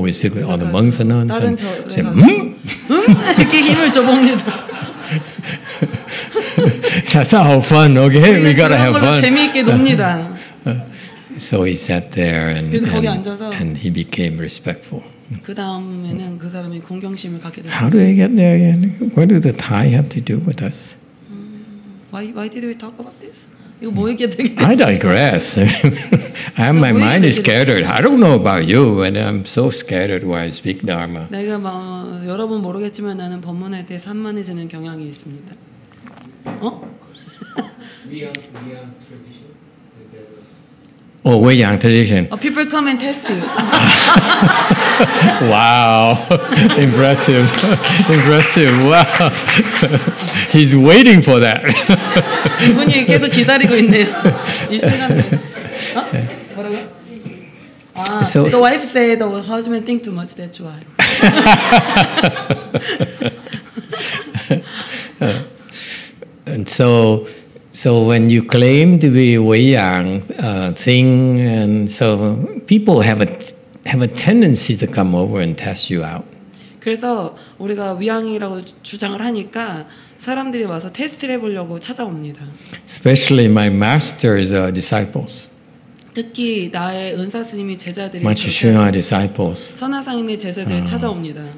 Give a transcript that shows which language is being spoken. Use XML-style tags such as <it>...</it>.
<en>We sit with all the monks and nuns and say,</en> <ko>이렇게 힘을 줘봅니다.</ko> <en>That's all fun, okay? We gotta have fun.</en> <ko>재미있게 놉니다.</ko> <en>So he sat there and he became respectful.</en> <ko>그 다음에는 그 사람이 공경심을 갖게 됐어요.</ko> <en>How do we get there again? What do the Thai have to do with us? Why did we talk about this?</en> <ko>이거 뭐 얘기해야 되겠지?</ko> <en>I digress. my mind is scattered. I don't know about you, and I'm so scattered while I speak Dharma.</en> <ko>내가 여러분 모르겠지만 나는 법문에 대해 산만해지는 경향이 있습니다. 어?</ko> <en>Oh, Weiyang tradition. Oh, people come and test you. Wow. Impressive. Impressive. Wow. He's waiting for that.</en> <ko>이분이 계속 기다리고 있네요. 이 순간에. 뭐라고?</ko> <en>The wife said the husband think too much. That's why. And so... So when you claim to be Weiyang thing, and so people have a tendency to come over and test you out.</en> <ko>그래서 우리가 위양이라고 주장을 하니까 사람들이 와서 테스트를 해보려고 찾아옵니다.</ko> <en>Especially my master's disciples.</en> <ko>특히 나의 은사 스님이 제자들이</ko> <en>much Shunai disciples.</en> <ko>선화상인의 제자들 찾아옵니다.</ko>